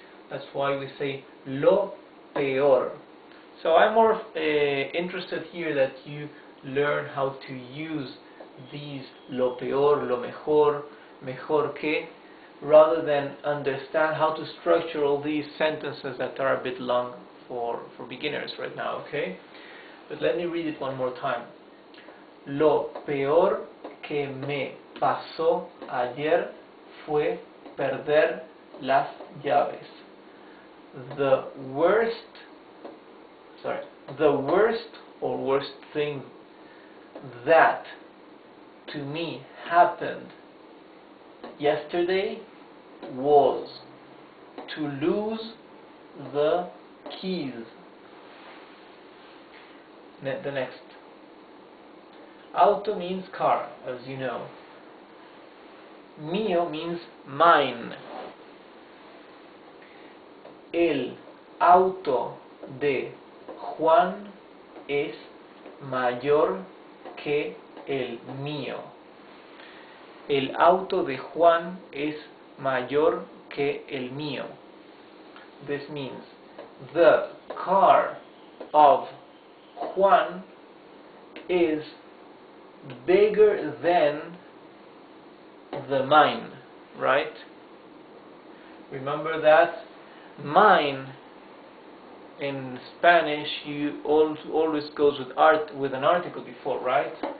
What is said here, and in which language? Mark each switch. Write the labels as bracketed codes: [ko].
[en] That's why we say lo peor. So I'm more interested here that you learn how to use these lo peor, lo mejor, mejor que, rather than understand how to structure all these sentences that are a bit long for beginners right now, okay? But let me read it one more time. [es] Lo peor que me pasó ayer fue perder las llaves. [en] The worst thing that to me happened yesterday was to lose the keys. The next. Auto means car, as you know. Mío means mine. [es] El auto de Juan es mayor que el mío. El auto de Juan es mayor que el mío. [en] This means the car of Juan is bigger than the mine, right? Remember that mine in Spanish you always goes with art with an article before, right?